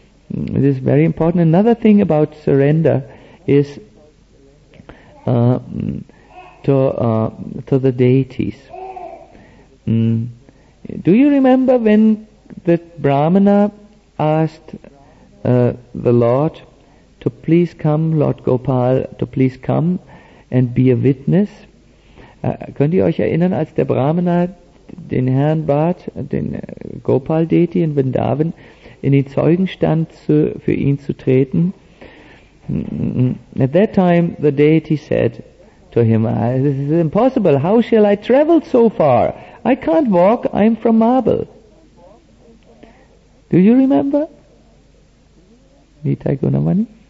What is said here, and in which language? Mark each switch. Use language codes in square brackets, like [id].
[en] It is very important. Another thing about surrender is to the deities. Do you remember when the Brahmana asked the Lord to please come, Lord Gopal, to please come and be a witness? [de] Könnt ihr euch erinnern, als der Brahmana den Herrn bat, den Gopal-Deti in Vrindavan, in den Zeugenstand für ihn zu treten? [en] At that time, the deity said to him, this is impossible, how shall I travel so far? I can't walk, I'm from marble. Do you remember? Nitai Gunamani?